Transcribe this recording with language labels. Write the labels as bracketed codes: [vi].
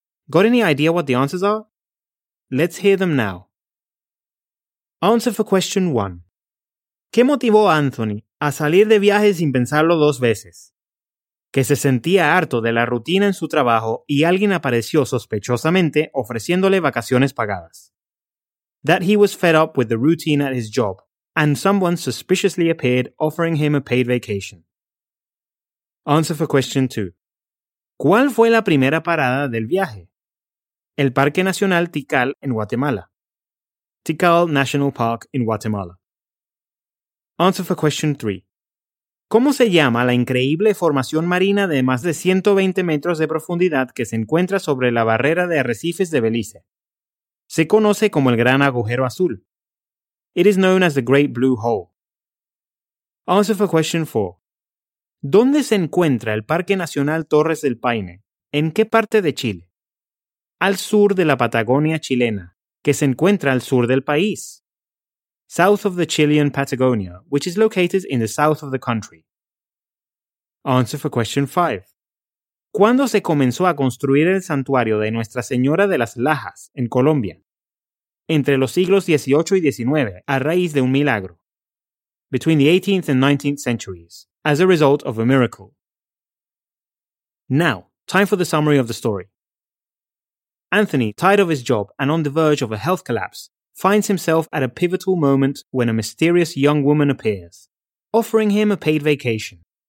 [en] Got any idea what the answers are? Let's hear them now. Answer for question 1. [es] ¿Qué motivó a Anthony a salir de viaje sin pensarlo dos veces? Que se sentía harto de la rutina en su trabajo y alguien apareció sospechosamente ofreciéndole vacaciones pagadas. [en] That he was fed up with the routine at his job, and someone suspiciously appeared offering him a paid vacation. Answer for question 2. [es] ¿Cuál fue la primera parada del viaje? El Parque Nacional Tikal en Guatemala. [en] Tikal National Park in Guatemala. Answer for question 3. [es] ¿Cómo se llama la increíble formación marina de más de 120 metros de profundidad que se encuentra sobre la barrera de arrecifes de Belice? Se conoce como el Gran Agujero Azul. [en] It is known as the Great Blue Hole. Answer for question 4. [es] ¿Dónde se encuentra el Parque Nacional Torres del Paine? ¿En qué parte de Chile? Al sur de la Patagonia chilena, que se encuentra al sur del país. [en] South of the Chilean Patagonia, which is located in the south of the country. Answer for question 5. [es] ¿Cuándo se comenzó a construir el santuario de Nuestra Señora de las Lajas, en Colombia? Entre los siglos XVIII y XIX, a raíz de un milagro. [en] Between the 18th and 19th centuries, as a result of a miracle. Now, time for the summary of the story. Anthony, tired of his job and on the verge of a health collapse, finds himself at a pivotal moment when a mysterious young woman appears, offering him a paid vacation.